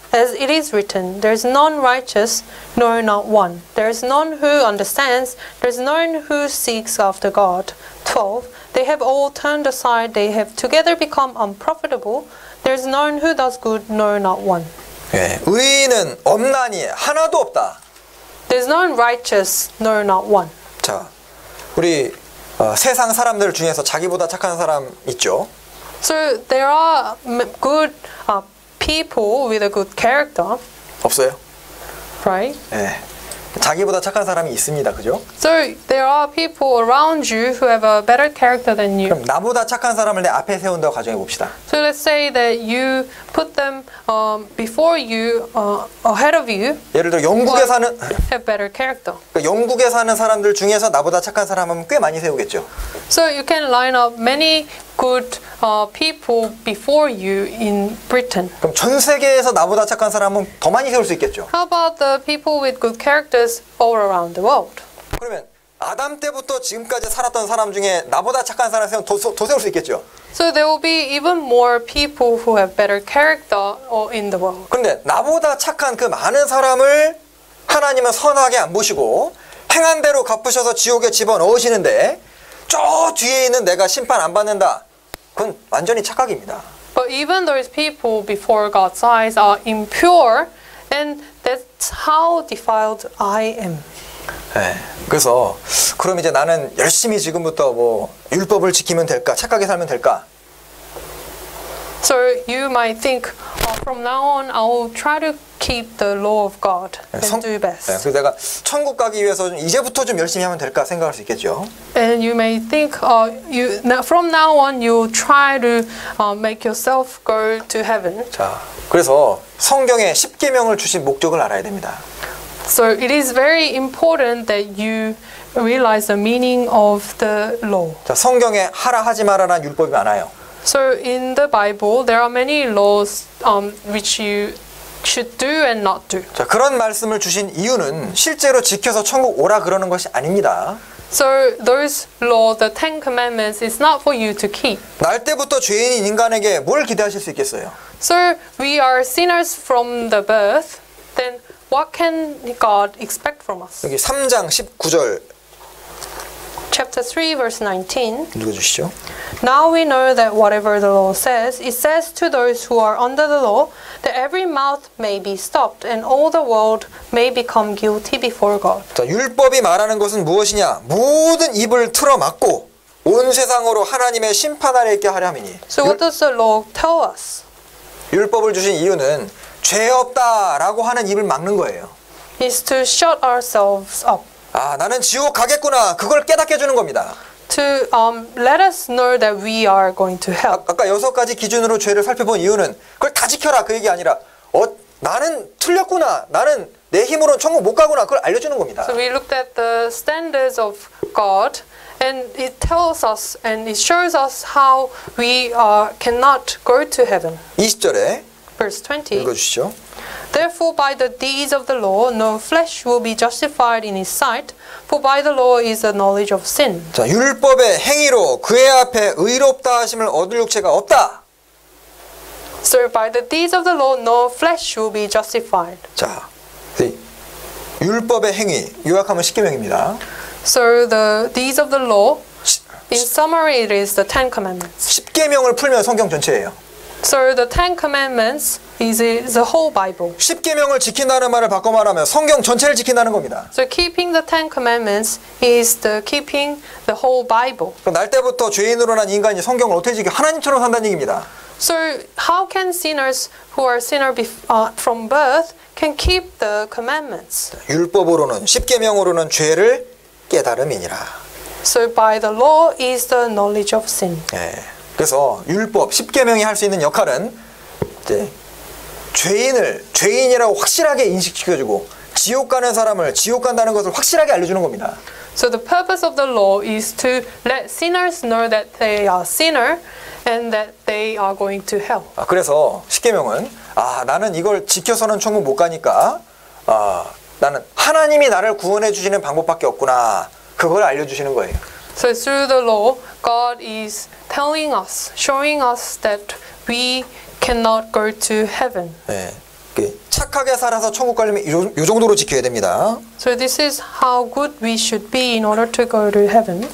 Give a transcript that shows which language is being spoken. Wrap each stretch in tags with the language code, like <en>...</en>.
<en>As it is written, there is none righteous, no, not one. There is none who understands. There is none who seeks after God. 12. They have all turned aside. They have together become unprofitable. There is none who does good, no, not one.</en> <ko>예, 의인은 없나니 하나도 없다.</ko> <en>There is none righteous, no, not one.</en> <ko>자, 우리 세상 사람들 중에서 자기보다 착한 사람 있죠?</ko> <en>So there are good people with a good character.</en> <ko>없어요?</ko> <en>Right?</en> <ko>예. 자기보다 착한 사람이 있습니다. 그죠?</ko> <en>So there are people around you who have a better character than you.</en> <ko>그럼 나보다 착한 사람을 내 앞에 세운다고 가정해 봅시다.</ko> <en>So let's say that you put them before you ahead of you.</en> <ko>예를 들어 영국에 사는</ko> <en>have better character.</en> <ko>그러니까 영국에 사는 사람들 중에서 나보다 착한 사람은 꽤 많이 세우겠죠.</ko> <en>So you can line up many good people before you in Britain.</en> <ko>그럼 전 세계에서 나보다 착한 사람은 더 많이 세울 수 있겠죠.</ko> <en>How about the people with good characters all around the world?</en> <ko>그러면 아담 때부터 지금까지 살았던 사람 중에 나보다 착한 사람 더 세울 수 있겠죠.</ko> <en>So there will be even more people who have better character in the world.</en> <ko>근데 나보다 착한 그 많은 사람을 하나님은 선하게 안 보시고 행한 대로 갚으셔서 지옥에 집어넣으시는데 저 뒤에 있는 내가 심판 안 받는다. 그건 완전히 착각입니다.</ko> <en>But even those people before God's eyes are impure, then that's how defiled I am.</en> <ko>예, 그래서 그럼 이제 나는 열심히 지금부터 뭐 율법을 지키면 될까? 착하게 살면 될까?</ko> <en>So you might think from now on I'll try to keep the law of God and do best.</en> <ko>예, 내가 천국 가기 위해서 이제부터 좀 열심히 하면 될까 생각할 수 있겠죠.</ko> <en>And you may think from now on you'll try to make yourself go to heaven.</en> <ko>자, 그래서 성경에 십계명을 주신 목적을 알아야 됩니다.</ko> <en>So it is very important that you realize the meaning of the law.</en> <ko>자, 성경에 하라 하지 마라라는 율법이 많아요.</ko> <en>So in the Bible, there are many laws which you should do and not do.</en> <ko>자, 그런 말씀을 주신 이유는 실제로 지켜서 천국 오라 그러는 것이 아닙니다.</ko> <en>So those laws, the Ten Commandments, is not for you to keep.</en> <ko>날 때부터 죄인인 인간에게 뭘 기대하실 수 있겠어요?</ko> <en>So we are sinners from the birth. Then what can God expect from us?</en> <ko>여기 3장 19절.</ko> <en>Chapter 3, verse 19.</en> <ko>읽어주시죠.</ko> <en>Now we know that whatever the law says, it says to those who are under the law that every mouth may be stopped and all the world may become guilty before God.</en> <ko>자, 율법이 말하는 것은 무엇이냐? 모든 입을 틀어막고 온 세상으로 하나님의 심판 아래 있게 하려 함이니.</ko> <en>So what does the law tell us?</en> <ko>율법을 주신 이유는 죄 없다라고 하는 입을 막는 거예요.</ko> <en>Is to shut ourselves up.</en> <ko>아, 나는 지옥 가겠구나. 그걸 깨닫게 해주는 겁니다.</ko> <en>To let us know that we are going to hell.</en> <ko>아까 여섯 가지 기준으로 죄를 살펴본 이유는 그걸 다 지켜라 그 얘기 아니라 나는 틀렸구나. 나는 내 힘으로는 천국 못 가구나. 그걸 알려주는 겁니다.</ko> <en>So we looked at the standards of God and it tells us and it shows us how we cannot go to heaven.</en> <ko>20절에</ko> <en>Verse 20.</en> <ko>읽어주시죠.</ko> <en>Therefore, by the deeds of the law, no flesh will be justified in his sight, for by the law is the knowledge of sin.</en> <ko>자, 율법의 행위로 그의 앞에 의롭다 하심을 얻을 육체가 없다.</ko> <en>So by the deeds of the law, no flesh will be justified.</en> <ko>자, 율법의 행위 요약하면 십계명입니다.</ko> <en>So the deeds of the law, in summary, it is the Ten Commandments.</en> <ko>십계명을 풀면 성경 전체예요.</ko> <en>So the Ten Commandments is the whole Bible.</en> <ko>십계명을 지킨다는 말을 바꿔 말하면 성경 전체를 지킨다는 겁니다.</ko> <en>So keeping the Ten Commandments is the keeping the whole Bible.</en> <ko>그럼 날 때부터 죄인으로 난 인간이 성경을 어떻게 지켜 하나님처럼 산다는 얘기입니다.</ko> <en>So how can sinners who are sinners from birth can keep the commandments?</en> <ko>율법으로는 십계명으로는 죄를 깨달음이니라.</ko> <en>So by the law is the knowledge of sin.</en> <ko>예. 그래서 율법 십계명이 할 수 있는 역할은 이제 죄인을 죄인이라고 확실하게 인식시켜주고 지옥 가는 사람을 지옥 간다는 것을 확실하게 알려주는 겁니다.</ko> <en>So the purpose of the law is to let sinners know that they are sinner and that they are going to hell.</en> <ko>아, 그래서 십계명은 아 나는 이걸 지켜서는 천국 못 가니까 아 나는 하나님이 나를 구원해 주시는 방법밖에 없구나 그걸 알려주시는 거예요.</ko> <en>So through the law, God is telling us, showing us that we cannot go to heaven.</en> <ko>네. 착하게 살아서 천국 가려면 이 정도로 지켜야 됩니다.</ko> <en>So this is how good we should be in order to go to heaven.</en>